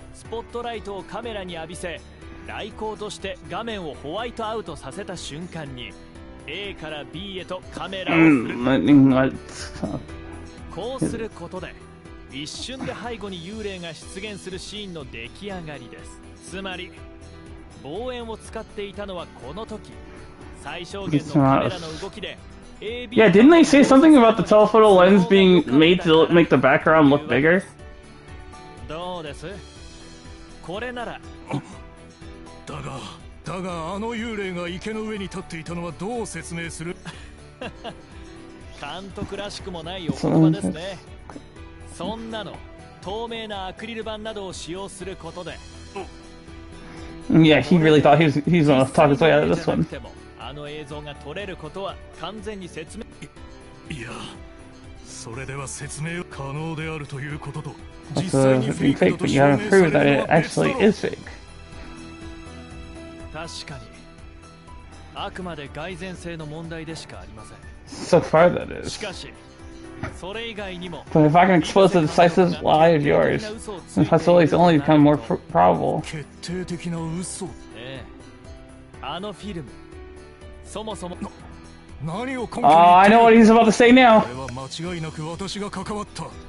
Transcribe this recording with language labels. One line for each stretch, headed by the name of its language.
Japanese: スポットライトをカメラに浴びせ、雷光として画面をホワイトアウトさせた瞬間に A から B へとカメラを振る。こうすることで一瞬で背後に幽霊が出現するシーンの出来上がりです。つまり望遠を使っていたのはこの時、最小限のカメラの動きで。
English: Yeah, didn't they say something about the telephoto lens being made to look, make the background look bigger?
Japanese: どうです？これなら。だが、あの幽霊が池の上に立っていたのはどう説明する？監督らしくもないお言葉ですね。そんなの、透明なアクリル板などを使用することで。
English: Yeah, he really thought he's gonna talk his way out of this one.
Japanese: あの映像が撮れることは完全に説明。いや、それでは説明可能であるということと、実際にフェイクだと証明されるのは別だろう。
English: Actually, it's fake.
Japanese: 確かに。あくまで蓋然性の問題でしかありません。
English: So far, that is.
Japanese: しかし、それ以外にも。
English: But if I can expose the decisive lie of yours, the possibility only become more probable.
Japanese: 決定的な嘘。ええ。あのフィルム。そもそも何を
English: 根拠に。 I know what he's about to say now.
Japanese: これは間違いなく私が関わった。